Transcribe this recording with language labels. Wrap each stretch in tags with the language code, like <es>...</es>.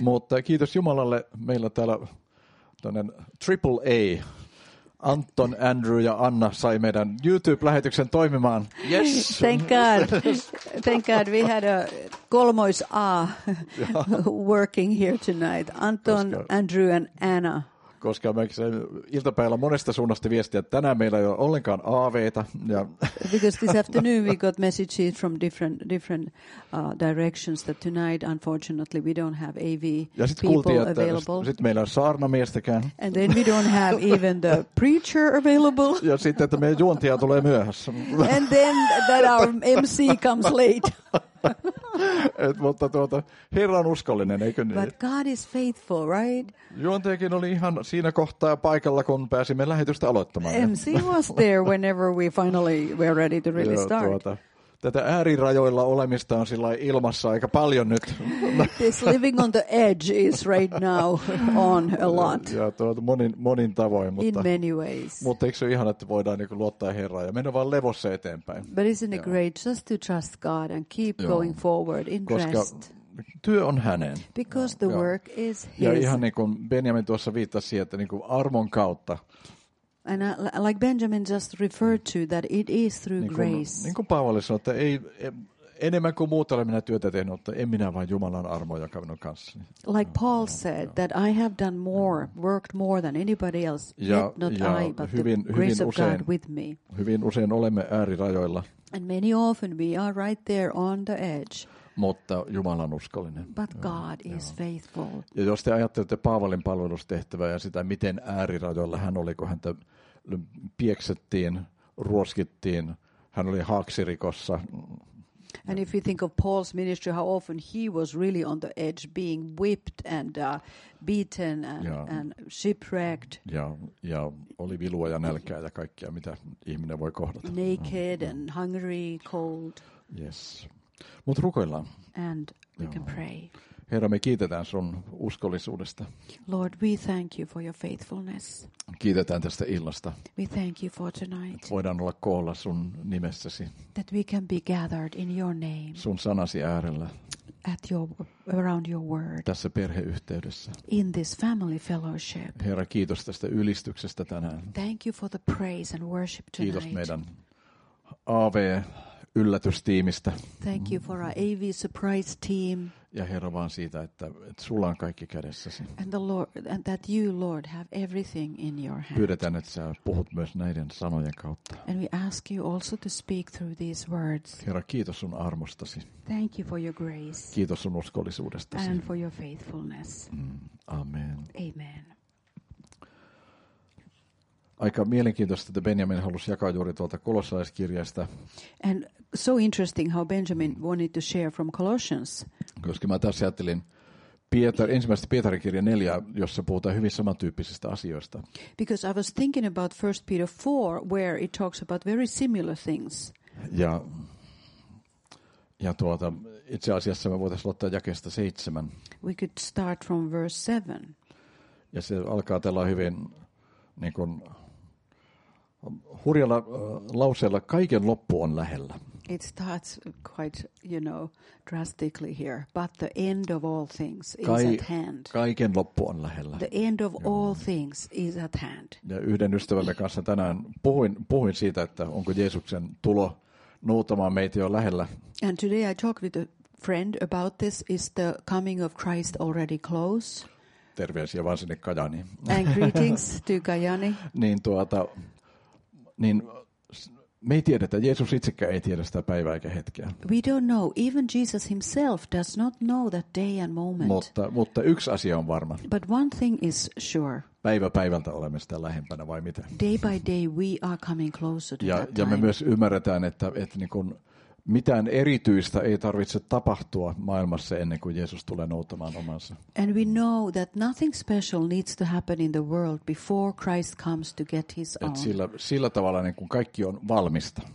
<fi>Mutta kiitos Jumalalle, meillä täällä tämmöinen triple A, Anton, Andrew ja Anna sai meidän YouTube-lähetyksen toimimaan.</fi> <en>Yes! Thank God, we had a</en> <fi>kolmois A</fi> <en>working here tonight, Anton, Andrew and Anna.</en> <fi>Koska mekin iltapäivällä monesta suunnasta viestiä, että tänään meillä ei ole ollenkaan aaveita.</fi> <en>Because this afternoon we got messages from different directions that tonight unfortunately we don't have AV people available.</en> <fi>Sitten meillä on saarnamiestäkään.</fi> <en>And then we don't have even the preacher available.</en> <fi>Ja sitten, että meidän juontia tulee myöhässä.</fi> <en>And then that our MC comes late.</en> <fi>Mutta Herra on uskollinen, eikö niin?</fi> <en>But God is faithful, right?</en> <fi>Juontajakin oli ihan siinä kohtaa paikalla, kun pääsimme lähetystä aloittamaan.</fi> <en>MC was there whenever we finally were ready to really start.</en> <fi>Tätä äärirajoilla olemista on sillä ilmassa aika paljon nyt.</fi> <en>This living on the edge is right now on a lot.</en> <fi>Ja monin tavoin. Mutta,</fi> <en>in many ways.</en> <fi>Mutta eikö se ole ihana, että voidaan niin kuin luottaa Herraan ja mennä vaan levossa eteenpäin.</fi> <en>But isn't it great just to trust God and keep going forward in</en> <fi>koska</fi> <en>rest?</en> <fi>Koska työ on hänen.</fi> <en>Because the work is his.</en> <fi>Ja ihan niin kuin Benjamin tuossa viittasi, että niin kuin armon kautta</fi> <en>And like Benjamin just referred to, that it is through grace.</en> <fi>Niin kuin Paavali sanoi, että ei enemmän kuin muut olen minä työtä tehnyt, mutta en minä vaan Jumalan armo, joka minun kanssa.</fi> <en>Like Paul said, that I have done more, worked more than anybody else, yet not I, but</en> <fi>hyvin,</fi> <en>the grace of God with me.</en> <fi>Hyvin usein olemme äärirajoilla.</fi> <en>And many often we are right there on the edge.</en> <fi>Mutta Jumala on uskollinen.</fi> <en>But God is faithful.</en> <fi>Ja jos te ajattelette Paavalin palvelustehtävää ja sitä, miten äärirajoilla hän oli, kun häntä pieksettiin, ruoskittiin, hän oli haaksirikossa.</fi> <en>And if you think of Paul's ministry, how often he was really on the edge, being whipped and beaten and shipwrecked.</en> <fi>Ja oli vilua ja nälkää ja kaikkea, mitä ihminen voi kohdata.</fi> <en>Naked and hungry, cold. Yes.</en> <fi>Mut rukoillaan.</fi> <en>And we can pray.</en> <fi>Herra, me kiitetään sun uskollisuudesta.</fi> <en>Lord, we thank you for your faithfulness.</en> <fi>Kiitetään tästä illasta.</fi> <en>We thank you for tonight.</en> <fi>Et voidaan olla koolla sun nimessäsi.</fi> <en>That we can be gathered in your name.</en> <fi>Sun sanasi äärellä.</fi> <en>At your, around your word.</en> <fi>Tässä perheyhteydessä.</fi> <en>In this family fellowship.</en> <fi>Herra, kiitos tästä ylistyksestä tänään.</fi> <en>Thank you for the praise and worship tonight.</en> <fi>Kiitos meidän AVE yllätystiimistä.</fi> <en>Thank you for our AV surprise team.</en> <fi>Ja Herra, vaan siitä, että sulla on kaikki kädessäsi.</fi> <en>And the Lord, and that you, Lord, have everything in your hand.</en> <fi>Pyydetään, että sä puhut myös näiden sanojen kautta.</fi> <en>And we ask you also to speak through these words.</en> <fi>Herra, kiitos sun armostasi.</fi> <en>Thank you for your grace.</en> <fi>Kiitos sun uskollisuudestasi.</fi> <en>And for your faithfulness.</en> <fi>Amen.</fi> <en>Amen.</en> <fi>Aika mielenkiintoista, että Benjamin halusi jakaa juuri tuolta kolossalaiskirjasta.</fi> <en>And so interesting how Benjamin wanted to share from Colossians.</en> <fi>Koska mä tässä ajattelin ensimmäistä Pietarin kirja 4, jossa puhutaan hyvin samantyyppisistä asioista.</fi> <en>Because I was thinking about 1 Peter 4, where it talks about very similar things.</en> <fi>Ja itse asiassa me voitaisiin aloittaa jakeesta 7.</fi> <en>We could start from verse 7.</en> <fi>Ja se alkaa tällä hyvin niin kuin hurjalla lauseella, kaiken loppu on lähellä.</fi> <en>It starts quite, you know, drastically here, but the end of all things is at hand.</en> <fi>Kaiken loppu on lähellä.</fi> <en>The end of all things is at hand.</en> <fi>Ja yhden ystävämme kanssa tänään puhuin siitä, että onko Jeesuksen tulo noutamaan meitä jo lähellä.</fi> <en>And today I talked with a friend about this. Is the coming of Christ already close?</en> <fi>Terveisiä vaan sinne Kajaaniin.</fi> <en>And greetings to Kajaani.</en> <fi>Niin me ei tiedetä, Jeesus itsekään ei tiedä sitä päivää eikä hetkeä.</fi> <en>We don't know. Even Jesus himself does not know that day and moment.</en> <fi>Mutta yksi asia on varma.</fi> <en>But one thing is sure.</en> <fi>Päivä päivältä olemme sitä lähempänä, vai mitä?</fi> <en>Day by day we are coming closer to that time.</en> <fi>Ja me myös ymmärretään, että niin kuin mitään erityistä ei tarvitse tapahtua maailmassa ennen kuin Jeesus tulee noutamaan omansa.</fi> <en>And we know that nothing special needs to happen in the world before Christ comes to get his own.</en> <fi>Sillä tavalla niin kuin kaikki on valmista.</fi>